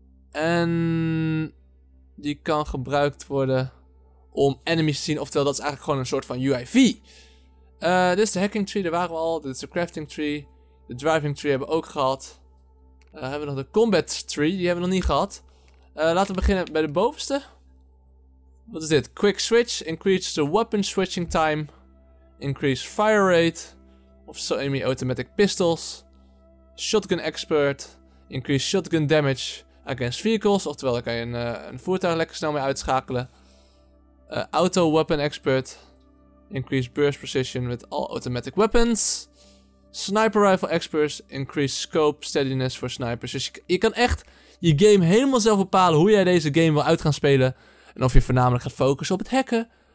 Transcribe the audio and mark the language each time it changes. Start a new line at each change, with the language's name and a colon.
Dutch: En die kan gebruikt worden om enemies te zien. Oftewel, dat is eigenlijk gewoon een soort van UIV. Dit is de hacking tree, daar waren we al. Dit is de crafting tree. De driving tree hebben we ook gehad. Hebben we nog de combat tree, die hebben we nog niet gehad. Laten we beginnen bij de bovenste. Wat is dit?
English: Quick switch, increase the weapon switching time. Increase fire rate. Of semi-automatic pistols. Shotgun expert, increase shotgun damage. Against vehicles,
Dutch: oftewel dan kan je een voertuig lekker snel mee uitschakelen.
English: Auto weapon expert. Increase burst precision with all automatic weapons. Sniper rifle experts. Increase scope steadiness for snipers.
Dutch: Dus je kan echt je game helemaal zelf bepalen hoe jij deze game wil uit gaan spelen. En of je voornamelijk gaat focussen op het hacken.